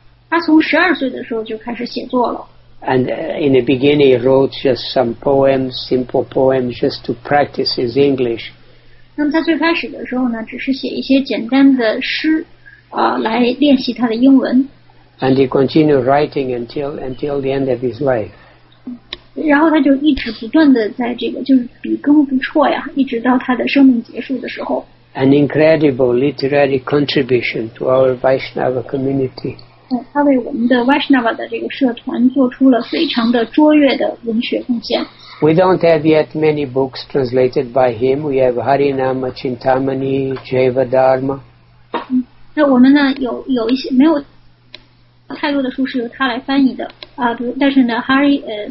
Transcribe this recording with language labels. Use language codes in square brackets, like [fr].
[zh] 他从十二岁的时候就开始写作了。 [en] And in the beginning, he wrote just some poems, simple poems, just to practice his English. [zh] 那么他最开始的时候呢，只是写一些简单的诗，来练习他的英文。 [en] And he continued writing until the end of his life. [zh] 然后他就一直不断的在这个就是笔耕不辍呀，一直到他的生命结束的时候。 [en] An incredible literary contribution to our Vaishnava community. [zh] 他为我们的 Vaishnava 的这个社团做出了非常的卓越的文学贡献。 [en] We don't have yet many books translated by him. We have Harinama Chintamani, Jiva Dharma. [zh] 那我们呢有一些没有太多的书是由他来翻译的啊，但是呢 ，Hari